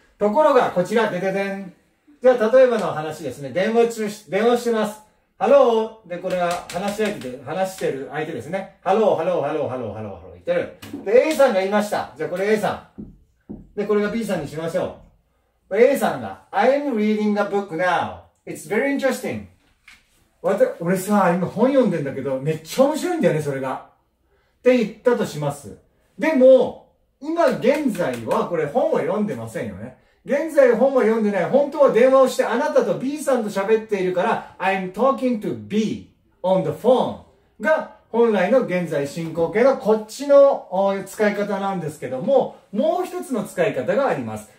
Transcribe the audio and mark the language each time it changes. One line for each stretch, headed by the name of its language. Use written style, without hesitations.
Japanese: ところがこちら、でででん。じゃあ例えばの話ですね。電話します。ハロー。で、これは話し相手で、話してる相手ですね。ハロー、ハロー、ハロー、ハロー、ハロー、ハロー、言ってる。で、A さんが言いました。じゃあこれ A さん。で、これが B さんにしましょう。
English: A さんが、I am reading a book now. It's very interesting.
Japanese: 俺さ、今本読んでんだけど、めっちゃ面白いんだよね、それが。って言ったとします。でも、今現在は、これ本は読んでませんよね。現在本は読んでない。本当は電話をして、あなたと B さんと喋っているから、
English: I'm talking to B on the phone
Japanese: が、本来の現在進行形のこっちの使い方なんですけども、もう一つの使い方があります。